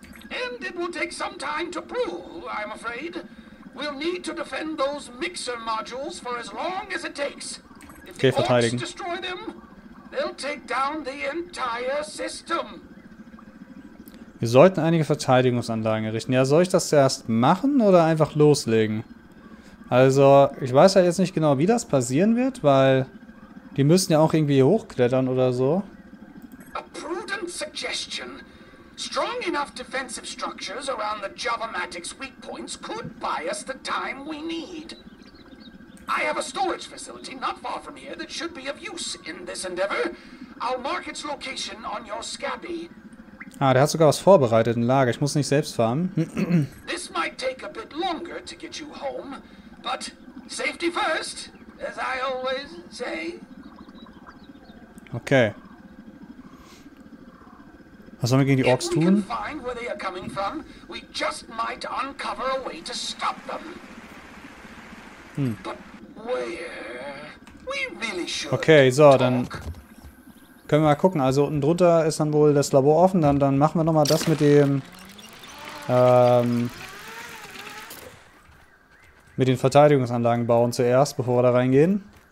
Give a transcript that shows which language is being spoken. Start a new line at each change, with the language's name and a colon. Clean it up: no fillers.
English: And it will take some time to prove, I'm afraid, We'll need to defend those mixer modules for as long as it takes.
German: If okay, verteidigen.
English: Destroy them, they'll take down the entire system.
German: Wir sollten einige Verteidigungsanlagen errichten. Ja, soll ich das zuerst machen oder einfach loslegen? Also, ich weiß ja jetzt nicht genau, wie das passieren wird, weil die müssen ja auch irgendwie hochklettern oder so.
English: A prudent suggestion. Strong enough defensive structures around the Java-Matic's weak points could buy us the time we need. I have a storage facility not far from here that should be of use in this endeavor. I'll mark its location on your scabby.
German: Ah, der hat sogar was vorbereitet, ein Lager. Ich muss nicht selbst farmen.
English: This might take a bit longer to get you home, but safety first, as I always say. Okay.
German: Was sollen wir gegen die Orks tun?
English: If we can find where they are coming from, we just might uncover a way to stop them. But where? We really should.
German: Okay, so, dann können wir mal gucken. Also unten drunter ist dann wohl das Labor offen. Dann machen wir nochmal das mit den Verteidigungsanlagen bauen zuerst, bevor wir da reingehen.